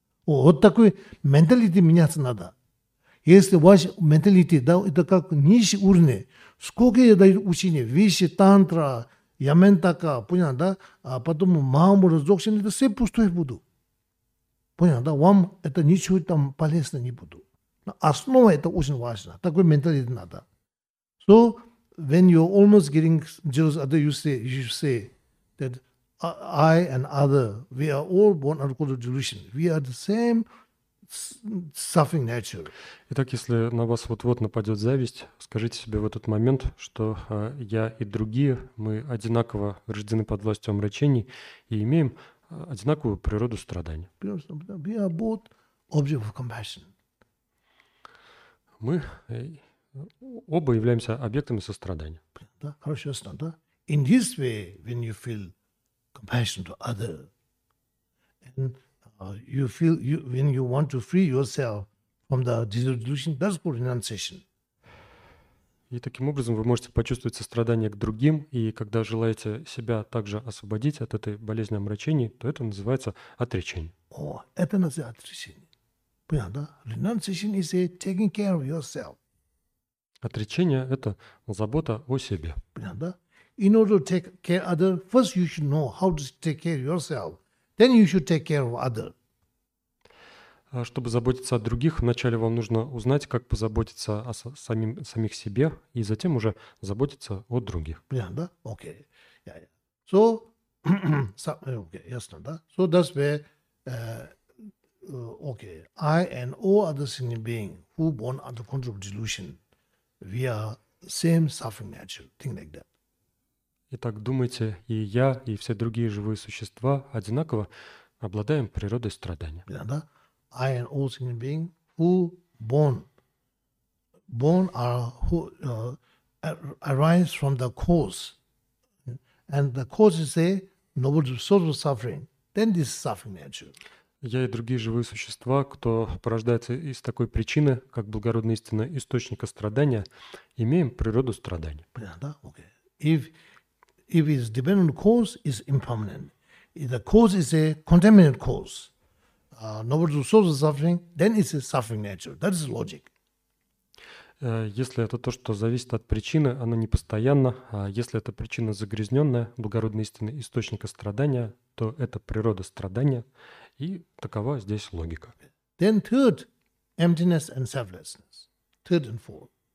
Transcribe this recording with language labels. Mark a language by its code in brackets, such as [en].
[ru] О, вот такой менталитет меняться надо. Если ваш менталитет, да, это как нищий уровень, сколько я даю учения, вещи, тантра, яментака, понятно, да? А потом маму, раздокшин, это все пустое буду. Понятно, да? Вам это ничего там полезно не буду. Но основа это очень важно. Такой менталитет надо. [en] So, when you're almost getting jealous, you say that I and other, we are all born out of delusion. We are the same suffering nature. [ru] Итак, если на вас вот-вот нападет зависть, скажите себе в этот момент, что я и другие, мы одинаково рождены под властью омрачений и имеем одинаковую природу страдания. [en] We are both objects of compassion. [ru] Мы оба являемся объектами сострадания. Да, хорошо, ясно, да? [en] In this way, when you feel compassion to other, and you feel you, when you want to free yourself from the disillusion, that's called renunciation. [ru] И таким образом вы можете почувствовать сострадание к другим, и когда желаете себя также освободить от этой болезни омрачений, то это называется отречение. О, это называется отречение. Понятно, да? [en] Renunciation is a taking care of yourself. [ru] Отречение – это забота о себе. Понятно, да? [en] In order to take care of others, first you should know how to take care of yourself. Then you should take care of others. [ru] Чтобы заботиться о других, вначале вам нужно узнать, как позаботиться о самих себе, и затем уже заботиться о других. Понятно, да? Окей. [en] So, okay, [ru] ясно, да? [en] So that's where, okay, I and all other single beings who born under control of delusion, we are same suffering nature, thing like that. [ru] Итак, думайте, и я, и все другие живые существа одинаково обладаем природой страдания. Понятно, да? [en] I and all single beings who born are who arise from the cause, and the cause is a noble source of suffering. Then this is suffering nature. [ru] Я и другие живые существа, кто порождается из такой причины, как благородная истина источника страдания, имеем природу страдания. Понятно, да? [en] Okay. If it is dependent on cause, is impermanent. If the cause is a contaminant cause. Nobody source of suffering, then it's a suffering nature. That is logic. [ru] Если это то, что зависит от причины, оно не постоянно. А если эта причина загрязненная, благородный истинный источник страдания, то это природа страдания, и такова здесь логика. [en] Then third, emptiness and selflessness. Third and fourth.